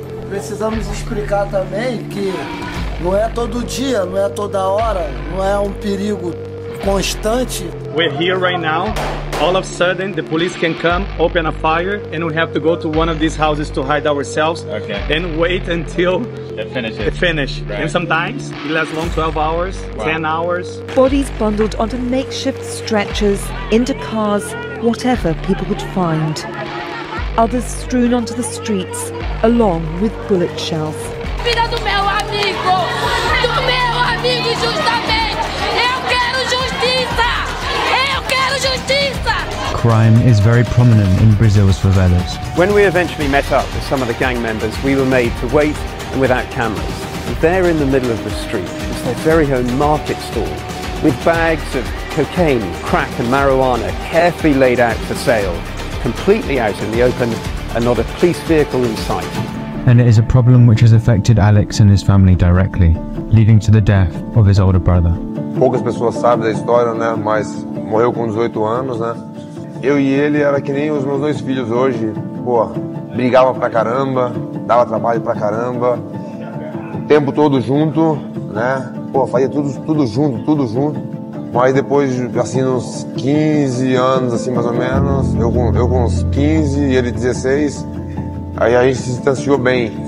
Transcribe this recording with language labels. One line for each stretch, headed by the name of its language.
Portuguese: Precisamos explicar também que não é todo dia, não é toda hora, não é perigo constante.
English: We're here right now. All of a sudden, the police can come, open a fire, and we have to go to one of these houses to hide ourselves. Okay. And wait until they finish it. They finish. Right. And sometimes it lasts long, 12 hours, wow. 10 hours. Bodies bundled onto makeshift stretchers, into cars, whatever people could find. Others strewn onto the streets, along with bullet shells.
Portuguese: Vida do meu amigo! Do meu amigo, justamente! Eu quero justiça! Eu quero justiça!
English: Crime is very prominent in Brazil's favelas. When we eventually met up with some of the gang members, we were made to wait and without cameras. And there in the middle of the street was their very own market stall, with bags of cocaine, crack and marijuana carefully laid out for sale. Completely out in the open and not a police vehicle in sight. And it is a problem which has affected Alex and his family directly, leading to the death of his older brother.
Portuguese: Poucas pessoas sabem da história, né? Mas morreu com 18 anos, né? Eu e ele era que nem os meus dois filhos hoje. Pô, brigava pra caramba, dava trabalho pra caramba, o tempo todo junto, né? Pô, fazia tudo junto. Mas depois, assim, uns 15 anos, assim, mais ou menos, eu com uns 15 e ele 16, aí a gente se distanciou bem.